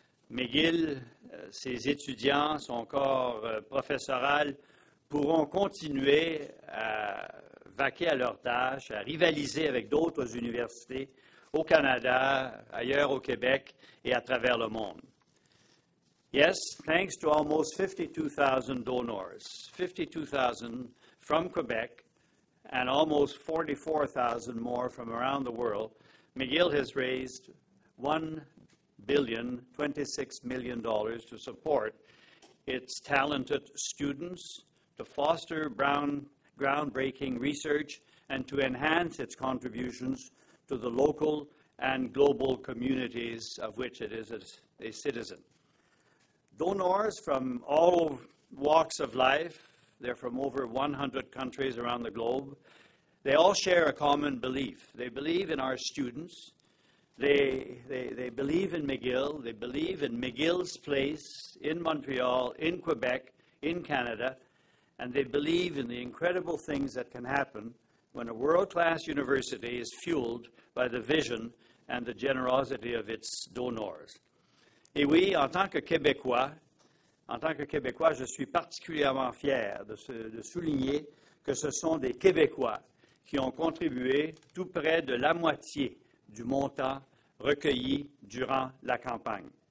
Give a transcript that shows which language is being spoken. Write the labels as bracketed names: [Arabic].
[French] McGill, ses étudiants, son corps professoral pourront continuer à vaquer à leurs tâches, à rivaliser avec d'autres universités au Canada, ailleurs au Québec et à travers le monde. [English] Yes, thanks to almost 52,000 donors, 52,000 from Quebec, and almost 44,000 more from around the world, McGill has raised $1,026,000,000 to support its talented students, to foster groundbreaking research, and to enhance its contributions to the local and global communities of which it is a citizen. Donors from all walks of life, they're from over 100 countries around the globe. They all share a common belief. They believe in our students. They believe in McGill. They believe in McGill's place in Montreal, in Quebec, in Canada. And they believe in the incredible things that can happen when a world-class university is fueled by the vision and the generosity of its donors. [French] Et oui, en tant que Québécois, je suis particulièrement fier de souligner que ce sont des Québécois qui ont contribué tout près de la moitié du montant recueilli durant la campagne.